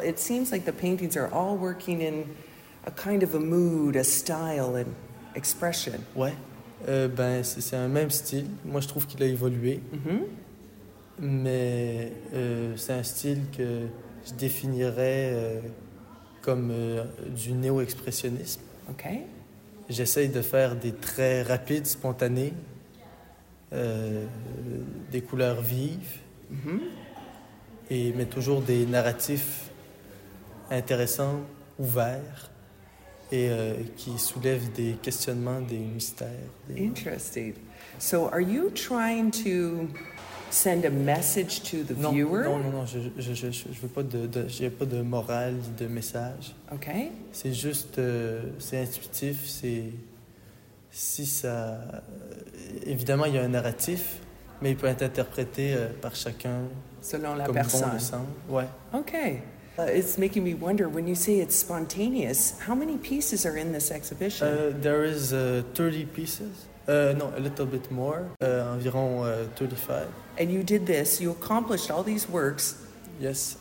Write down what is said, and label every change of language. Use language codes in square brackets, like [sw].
[en] It seems like the paintings are all working in a kind of a mood, a style, and expression. [fr] Ouais. C'est un même style. Moi, je trouve qu'il a évolué. Mm-hmm. Mais c'est un style que je définirais comme du néo-expressionnisme. [en] OK. [fr] J'essaye de faire des traits rapides, spontanés, des couleurs vives, mm-hmm. Mais toujours des narratifs intéressants, ouverts. Et qui soulève des questionnements, des mystères. [en] Interesting. So, are you trying to send a message to the viewer? [fr] Non. Je veux pas de. J'ai pas de morale, de message. [en] Okay. [fr] C'est juste. C'est intuitif. C'est si ça. Évidemment, il y a un narratif, mais il peut être interprété par chacun. Selon la comme personne. Comme bon le sens. Ouais. [en] Okay. It's making me wonder, when you say it's spontaneous, how many pieces are in this exhibition? There is 30 pieces. A little bit more. [fr] Environ 35. [en] And you did this, you accomplished all these works. Yes.